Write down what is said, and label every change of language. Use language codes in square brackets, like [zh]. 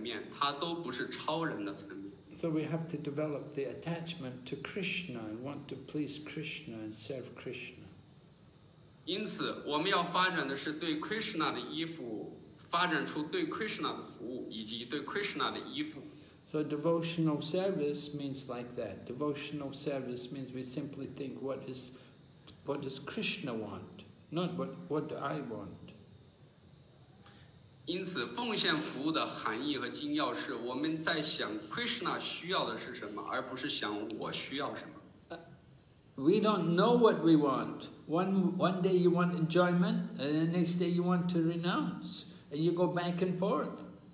[zh] 我们要理解的是,无论是气绝还是感官享乐,都是物质的层面,它都不是超人的层面。 [en] So we have to develop the attachment to Krishna, and want to please Krishna and serve Krishna. [zh] 因此,我们要发展的是对Krishna的依附,发展出对Krishna的服务,以及对Krishna的依附。 [en] So devotional service means like that. Devotional service means we simply think what does Krishna want, not what do I want. [zh] 因此奉献服务的含义和精要是我们在想 Krishna 需要的是什么,而不是想我需要什么。 [en] We don't know what we want. One day you want enjoyment, and the next day you want to renounce, and you go back and forth.